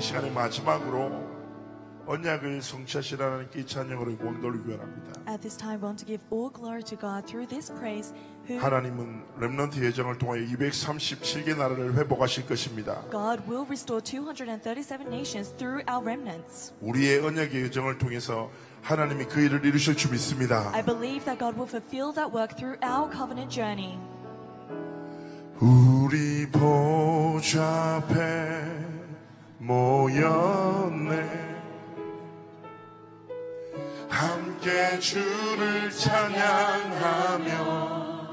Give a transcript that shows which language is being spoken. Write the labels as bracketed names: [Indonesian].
[Korean] 마지막으로 언약을 성취하신 하나님께 찬양으로 영광을 기원합니다. [English] At this time, we want to give all glory to God through this praise. [Korean] 하나님은 렘넌트 예정을 통해 237개 나라를 회복하실 것입니다. [English] God will restore 237 nations through our remnants. [Korean] 우리의 언약의 예정을 통해서 하나님이 그 일을 이루실 줄 믿습니다. [English] I believe that God will fulfill that work through our covenant journey. [Korean] 우리 보좌 앞에 모였네 함께 주를 찬양하며